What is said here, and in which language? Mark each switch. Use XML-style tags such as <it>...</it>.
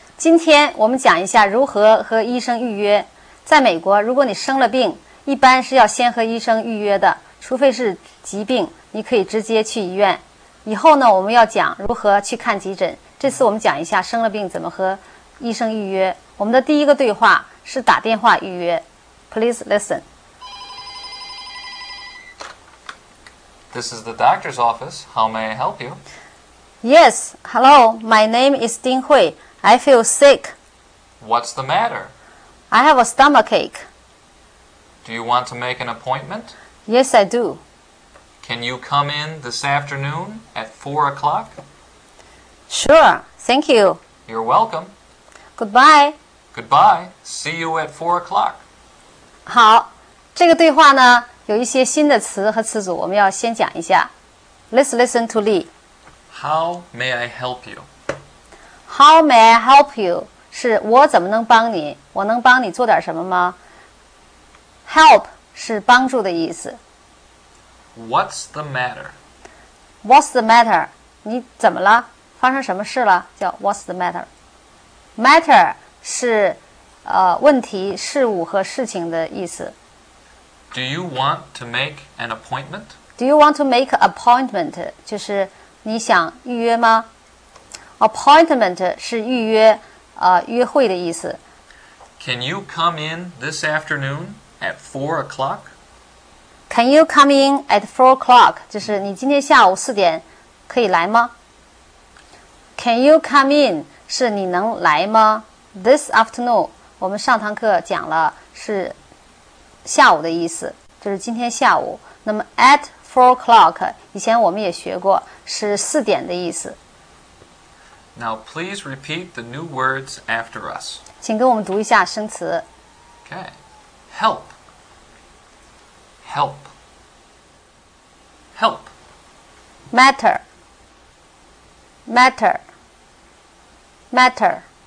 <zh>今天我们讲一下如何和医生预约。在美国，如果你生了病，一般是要先和医生预约的，除非是疾病，你可以直接去医院。以后呢，我们要讲如何去看急诊。这次我们讲一下生了病怎么和医生预约。我们的第一个对话是打电话预约。</zh> <en>Please listen. This is the doctor's office. How may I help you? Yes, hello, my name is Ding Hui. I feel sick. What's the matter? I have a stomachache. Do you want to make an appointment? Yes, I do. Can you come in this afternoon at 4 o'clock? Sure, thank you. You're welcome. Goodbye. Goodbye. See you at 4 o'clock.</en> <zh>好，这个对话呢，有一些新的词和词组我们要先讲一下。</zh> <en>Let's listen to Lee. How may I help you? How may I help you?</en> <zh>是我怎么能帮你？我能帮你做点什么吗？ Help 是帮助的意思。</zh> <en>What's the matter? What's the matter?</en> <zh>你怎么了？发生什么事了？叫</zh> <en>What's the matter?</en> <zh>Matter 是问题、事物和事情的意思。</zh> <en>Do you want to make an appointment? Do you want to make an appointment?</en> <zh>就是你想预约吗 ？Appointment 是预约，约会的意思。</zh> <en>Can you come in this afternoon at 4 o'clock? Can you come in at 4 o'clock?</en> <zh>就是你今天下午四点可以来吗 ？</zh> <en>Can you come in</en> <zh>是你能来吗 ？</zh> <en>This afternoon</en> <zh>我们上堂课讲了是下午的意思，就是今天下午。那么 at 4 o'clock 以前我们也学过是四点的意思。</zh> <en>Now please repeat the new words after us.</en> <zh>请跟我们读一下生词。</zh> <en>Okay, help, help, help, matter, matter, matter,</en>